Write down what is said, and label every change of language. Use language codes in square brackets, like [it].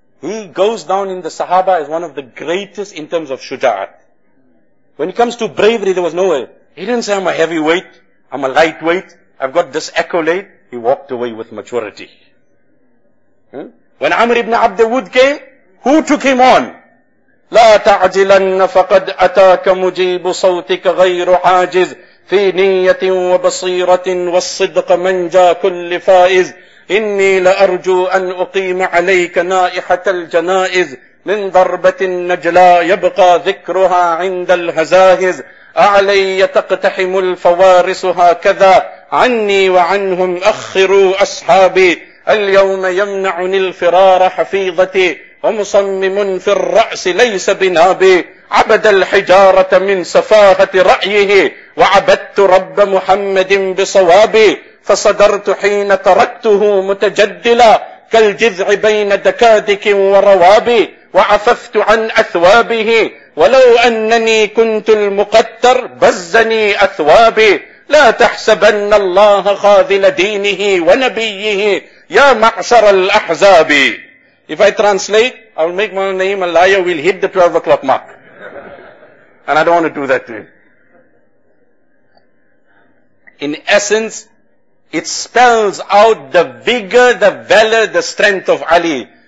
[en] He goes down in the Sahaba as one of the greatest in terms of shuja'at. When it comes to bravery, there was no way. He didn't say, I'm a heavyweight, I'm a lightweight, I've got this accolade. He walked away with maturity. When Amr ibn Abd al-Wud came, who took him on? [ar] لا تعجلن فقد أتاك مجيب صوتك غير عاجز في نية وبصيرة والصدق من جا كل فائز إني لأرجو أن أقيم عليك نائحة الجنائز من ضربة النجلى يبقى ذكرها عند الهزاهز أعلي تقتحم الفوارس هكذا عني وعنهم أخروا أصحابي اليوم يمنعني الفرار حفيظتي ومصمم في الرأس ليس بنابي عبد الحجارة من سفاهة رأيه وعبدت رب محمد بصوابي فصدرت حين تركته متجدلا كالجذع بين دكادك وروابي وعففت عن أثوابه ولو أنني كنت المقتر بزني أثوابي لا تحسبن الله خاذل دينه ونبيه يا معشر الأحزاب. [en] If I translate, I'll make my name a liar, we'll hit the 12 o'clock mark. And I don't want to do that to him. In essence, it spells out the vigor, the valor, the strength of Ali.